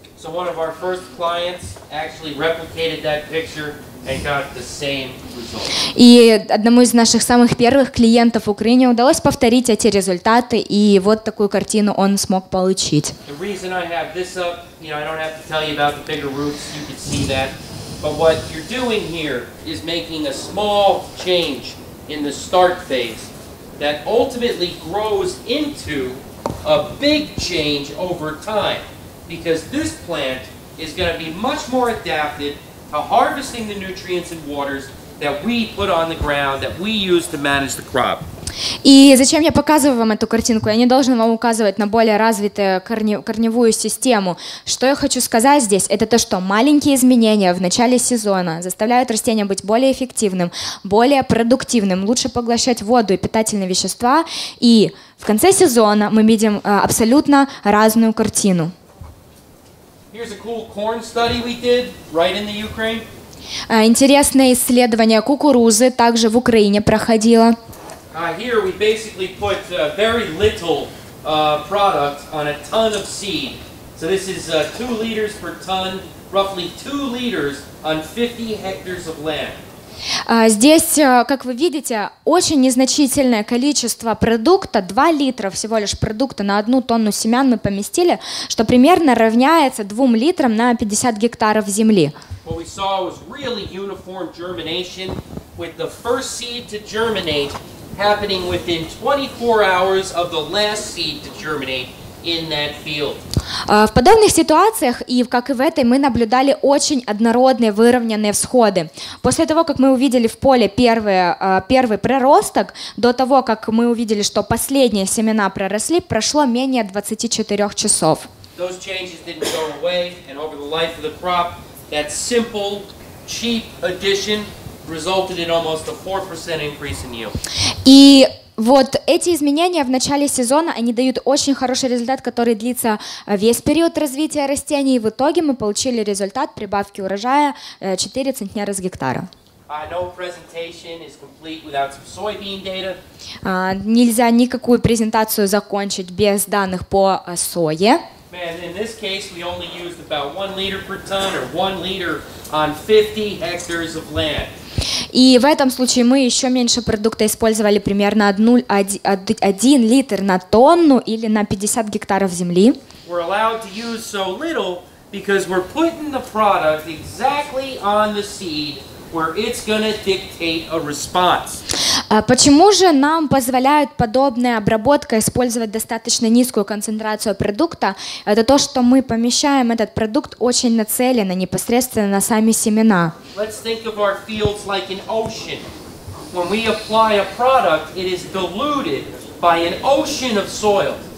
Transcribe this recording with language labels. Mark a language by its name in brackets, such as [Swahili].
[English] So one of our first clients actually replicated that picture and got the same result. [Russian] И одному из наших самых первых клиентов в Украине удалось повторить эти результаты, и вот такую картину он смог получить. [English] The reason I have this up, you know, I don't have to tell you about the bigger roots, you can see that. But what you're doing here is making a small change in the start phase that ultimately grows into a big change over time, because this plant is going to be much more adapted to harvesting the nutrients and waters that we put on the ground, that we use to manage the crop. [Russian] И зачем я показываю вам эту картинку? Я не должен вам указывать на более развитую корневую систему. Что я хочу сказать здесь, это то, что маленькие изменения в начале сезона заставляют растение быть более эффективным, более продуктивным, лучше поглощать воду и питательные вещества. И в конце сезона мы видим абсолютно разную картину. [English] Here's a cool corn study we did right in the Ukraine. [Russian] Интересное исследование кукурузы также в Украине проходило. [English] Here we basically put very little product on a ton of seed. So this is 2 liters per ton, roughly 2 liters on 50 hectares of land. [Russian] Здесь, как вы видите, очень незначительное количество продукта, 2 литра всего лишь продукта на 1 тонну семян мы поместили, что примерно равняется 2 литрам на 50 гектаров земли. [English] What we saw was really uniform germination, with the first seed to germinate happening within 24 hours of the last seed to germinate in that field. [Russian] В подобных ситуациях, и как и в этой, мы наблюдали очень однородные выровненные всходы. После того, как мы увидели в поле первый проросток, до того, как мы увидели, что последние семена проросли, прошло менее 24 часов. [English] Those changes didn't go away, and over the life of the crop, that simple, cheap addition resulted in almost a 4% increase in yield. [Russian] И вот эти изменения в начале сезона, они дают очень хороший результат, который длится весь период развития растений. И в итоге мы получили результат прибавки урожая 4 центнера с гектара. [English] No presentation is complete without some soybean data. [Russian] Нельзя никакую презентацию закончить без данных по сое. [English] And in this case, we only used about 1 liter per ton or 1 liter on 50 hectares of land. [Russian] И в этом случае мы еще меньше продукта использовали, примерно 1 литр на тонну или на 50 гектаров земли. [English] We're allowed to use so little because we're putting the product exactly on the seed where it's going to dictate a response. [Russian] Почему же нам позволяют подобная обработка использовать достаточно низкую концентрацию продукта? Это то, что мы помещаем этот продукт очень нацеленно, непосредственно на сами семена. [English] Let's think of our fields like an ocean. When we apply a product, it is diluted by an ocean of soil.